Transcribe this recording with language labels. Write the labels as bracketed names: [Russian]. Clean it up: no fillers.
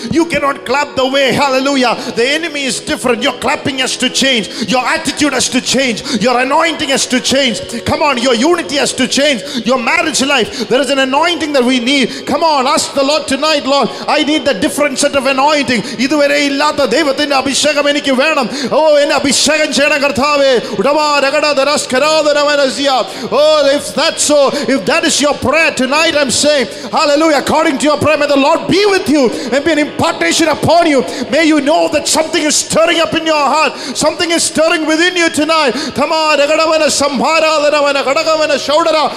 [English] You cannot clap the way. Hallelujah. The enemy is different. Your clapping has to change. Your attitude has to change. Your anointing has to change. Come on, your unity has to change. Your marriage life. There is an anointing that we need. Come on, ask the Lord tonight, Lord, I need the different set of anointing. [Malayalam] ഇതുവരെ ഇല്ലാത്ത ദൈവത്തിന്റെ അഭിഷേകം എനിക്ക് വേണം. ഓ എന്നെ അഭിഷേകം ചെയ്യണം കർത്താവേ. ഉടമാ രഗട ദരസ്കരാദരമനസിയ. [English] Oh if that's so, if that is your prayer tonight, I'm saying hallelujah, according to your prayer, may the Lord be with you and be an impartation upon you. May you know that something is stirring up in your heart, something is stirring within you tonight. തമാ രഗടവന സംഭാരാദരമന കടകവന ഷൗടര.